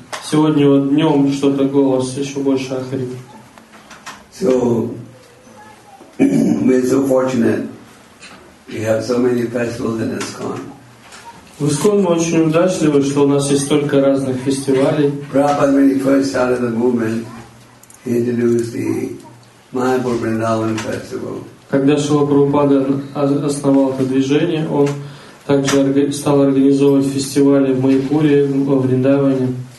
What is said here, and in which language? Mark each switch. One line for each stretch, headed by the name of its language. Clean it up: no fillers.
Russian: Сегодня вот днем что-то голос еще больше охрип.
English: So we're so fortunate we have so many festivals in ISKCON.
Russian: В ISKCON мы очень удачливы, что у нас есть столько разных фестивалей.
English: Prabhupada, when he first started the movement, he introduced the Mayapur Vrindavan festival.
Russian: Когда Шрила Прабхупада основал это движение, он также стал организовывать фестивали в Майпуре, во Вриндаване.